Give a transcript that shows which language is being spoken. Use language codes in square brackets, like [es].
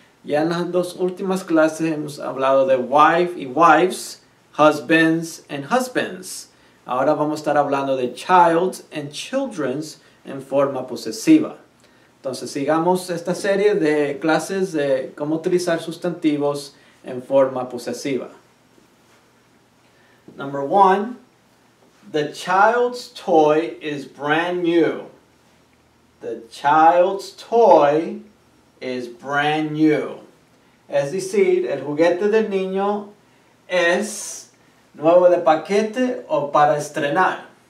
[es] Ya en las dos últimas clases hemos hablado de wife y wives, husbands and husbands. Ahora vamos a estar hablando de childs and childrens en forma posesiva. Entonces, sigamos esta serie de clases de cómo utilizar sustantivos en forma posesiva. [en] Number one, the child's toy is brand new. The child's toy is brand new. [es] Es decir, el juguete del niño es nuevo de paquete o para estrenar.